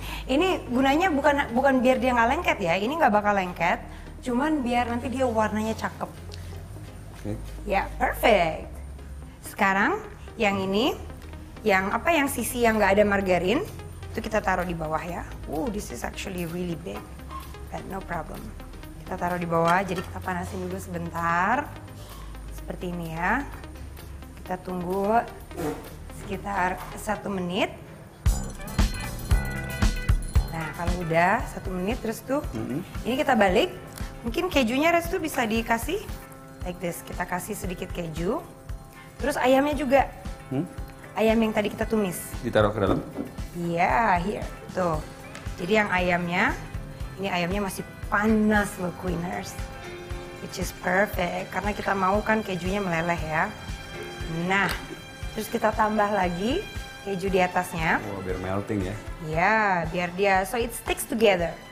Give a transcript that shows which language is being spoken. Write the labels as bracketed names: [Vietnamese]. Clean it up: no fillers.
[Indonesian] Ini gunanya bukan biar dia nggak lengket ya. Ini nggak bakal lengket. Cuman biar nanti dia warnanya cakep. Oke. Okay. Ya, perfect. Sekarang yang ini, yang apa, yang sisi yang nggak ada margarin, itu kita taruh di bawah ya. [English] This is actually really big, but no problem. [Indonesian] Kita taruh di bawah, jadi kita panasin dulu sebentar. Seperti ini ya. Kita tunggu sekitar 1 menit. Nah, kalau udah 1 menit, Restu, ini kita balik. Mungkin kejunya Restu bisa dikasih, [English] like this, [Indonesian] kita kasih sedikit keju. Terus ayamnya juga, ayam yang tadi kita tumis. Ditaruh ke dalam? Iya, here, tuh. Jadi yang ayamnya, ini ayamnya masih panas loh, Queeners. [English] Which is perfect, [Indonesian] karena kita mau kan kejunya meleleh ya. Nah, terus kita tambah lagi keju di atasnya. Oh, biar melting ya? Iya, biar dia, [English] so it sticks together.